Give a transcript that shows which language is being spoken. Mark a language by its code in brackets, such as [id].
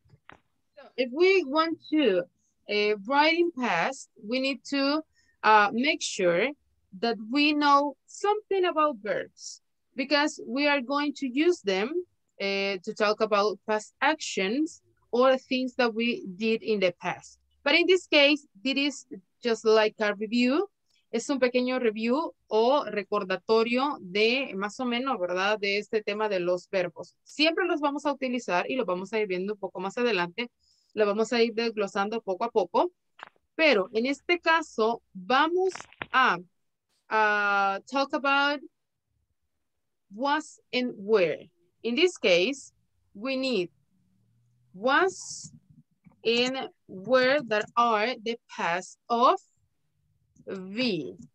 [en] So if we want to write in past, we need to make sure that we know something about verbs, because we are going to use them to talk about past actions or things that we did in the past. But in this case, this is just like a review. [es] Es un pequeño review o recordatorio de más o menos, ¿verdad? De este tema de los verbos. Siempre los vamos a utilizar y los vamos a ir viendo un poco más adelante. Lo vamos a ir desglosando poco a poco. Pero en este caso, vamos a [en] talk about was and where. In this case, we need was and where that are the past of V.